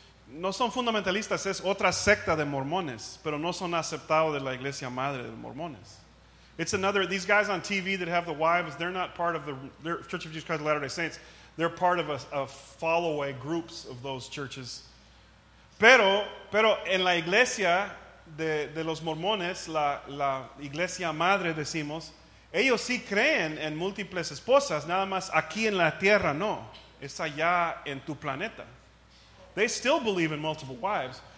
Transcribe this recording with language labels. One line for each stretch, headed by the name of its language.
Spanish: No son fundamentalistas, es otra secta de Mormones, pero no son aceptados de la Iglesia Madre de Mormones.
English: It's another, these guys on TV that have the wives, they're not part of the Church of Jesus Christ of Latter-day Saints. They're part of a fall-away groups of those churches.
Spanish: Pero en la iglesia de los mormones, la iglesia madre decimos, ellos sí creen en múltiples esposas, nada más aquí en la tierra no, es allá en tu planeta.
English: They still believe in multiple wives.